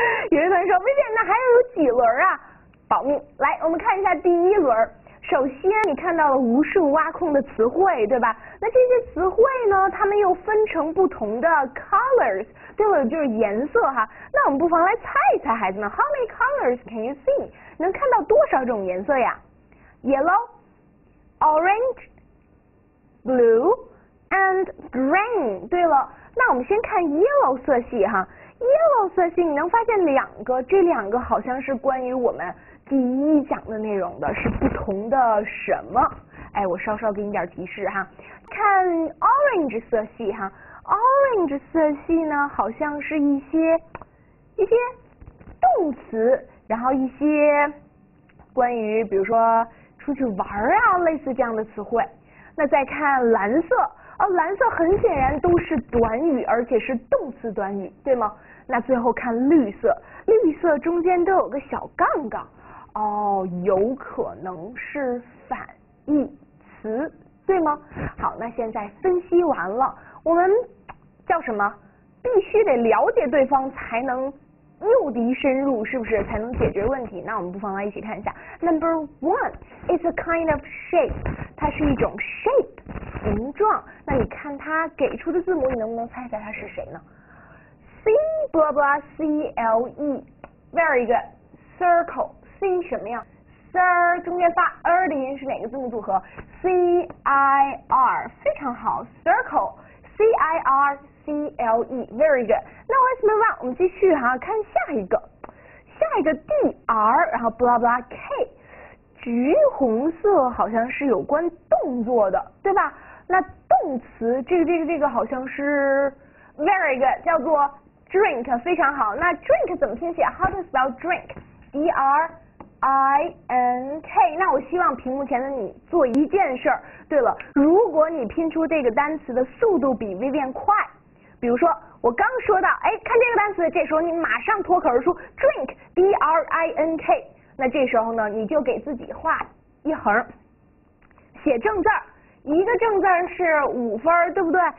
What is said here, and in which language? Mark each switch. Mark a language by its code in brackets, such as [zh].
[zh] 有人说，薇姐，那还有几轮啊？保密。来，我们看一下第一轮。首先，你看到了无数挖空的词汇，对吧？那这些词汇呢，它们又分成不同的 colors， 对了，就是颜色哈。那我们不妨来猜一猜，孩子们 ， [en] How many colors can you see？ [zh] 能看到多少种颜色呀 [en] ？Yellow, orange, blue, and green。 [zh] 对了，那我们先看 yellow 色系哈。yellow 色系，你能发现两个，这两个好像是关于我们第一讲的内容的，是不同的什么？哎，我稍稍给你点提示哈，看 orange 色系哈， orange 色系呢，好像是一些动词，然后一些关于比如说出去玩啊，类似这样的词汇。那再看蓝色，蓝色很显然都是短语，而且是动词短语，对吗？那最后看绿色，绿色中间都有个小杠杠。哦，有可能是反义词，对吗？好，那现在分析完了，我们叫什么？必须得了解对方才能诱敌深入，是不是？才能解决问题。那我们不妨来一起看一下。 [en] Number one is a kind of shape， [zh] 它是一种 shape 形状。那你看它给出的字母，你能不能猜猜它是谁呢 ？C blah blah C L E， [en] very good， [zh] circle。 C 什么呀 ？Sir 中间发 r 的音是哪个字母组合 ？C I R 非常好 ，circle C I R C L E [en] very good。 Now let's move on， [zh] 我们继续哈，看下一个 D R， 然后 blah blah K， 橘红色好像是有关动作的，对吧？那动词这个好像是 [en] very good， [zh] 叫做 drink 非常好。 [en] 那 drink [zh] 怎么拼写 [en] ？How to spell drink？ [zh] D R I N K， 那我希望屏幕前的你做一件事儿。对了，如果你拼出这个单词的速度比 Vivian 快，比如说我刚说到，哎，看这个单词，这时候你马上脱口而出 drink D R I N K， 那这时候呢，你就给自己画一横，写正字儿，一个正字儿是五分，对不对？